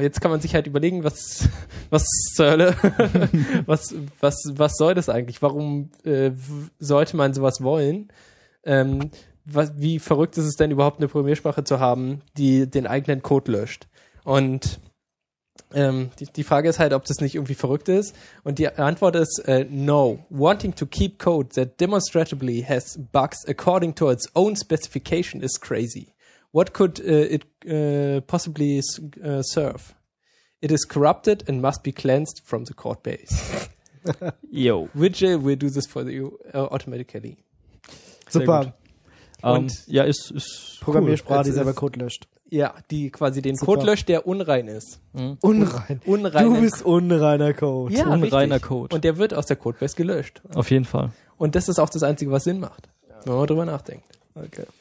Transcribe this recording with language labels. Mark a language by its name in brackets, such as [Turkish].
[German] Jetzt kann man sich halt überlegen, was zur Hölle, was soll das eigentlich? Warum sollte man sowas wollen? Wie verrückt ist es denn überhaupt, eine Programmiersprache zu haben, die den eigenen Code löscht? Und die Frage ist halt, ob das nicht irgendwie verrückt ist. Und die Antwort ist no. [English] Wanting to keep code that demonstrably has bugs according to its own specification is crazy. What could it possibly serve? It is corrupted and must be cleansed from the code base. Yo. Vigil will do this for you automatically. [German] Super. Und ja, ist Programmiersprache, cool, die selber Code löscht. Ja, die quasi den Super. Code löscht, der unrein ist. Hm? Unrein. Unrein. Du bist unreiner Code. Ja, unreiner richtig. Code. Und der wird aus der Codebase gelöscht. Auf jeden Fall. Und das ist auch das Einzige, was Sinn macht, ja, wenn man drüber nachdenkt. Okay.